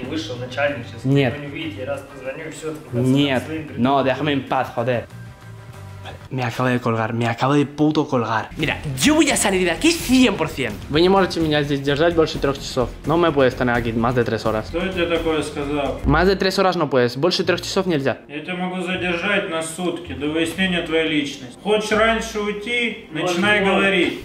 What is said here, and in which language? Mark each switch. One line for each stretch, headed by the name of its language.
Russian: вышел начальник, сейчас его не увидит, я раз позвоню и все. Нет, но
Spanish: déjame en paz, joder. Vale, Me acabo de colgar, me acabo de puto colgar. Mira, yo voy a salir de aquí 100%. Venimos a
Russian: меня здесь держать больше 3 часов.
Spanish: No me puedes tener aquí más de 3 horas.
Russian: Кто тебе такое сказал?
Spanish: Más de 3 horas no puedes,
Russian: больше 3 часов нельзя. Я тебя могу задержать на сутки до выяснения твоей личности. Хочешь раньше уйти, начинай говорить.